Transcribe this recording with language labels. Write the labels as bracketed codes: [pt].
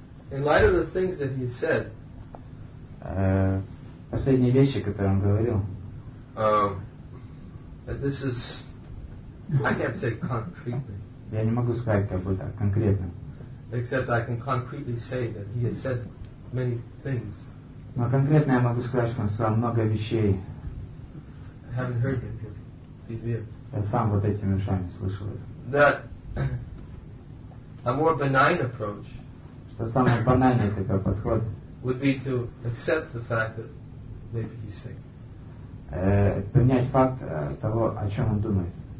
[en] In light of the things that he said, [ru] последние вещи, которые он говорил, [en] that this is, I can't say concretely. [ru] Я не могу сказать как бы так конкретно. [en] Except I can concretely say that he has said many things. [ru] Но конкретно я могу сказать, что он сказал много вещей. [en] I haven't heard him because he's here. [ru] Я сам вот этими ушами слышал это. [en] That a more benign approach. [ru] Что самое банальное такой подход. [en] Would be to accept the fact that maybe he's sick. [ru] Принять факт того, о чем он думает.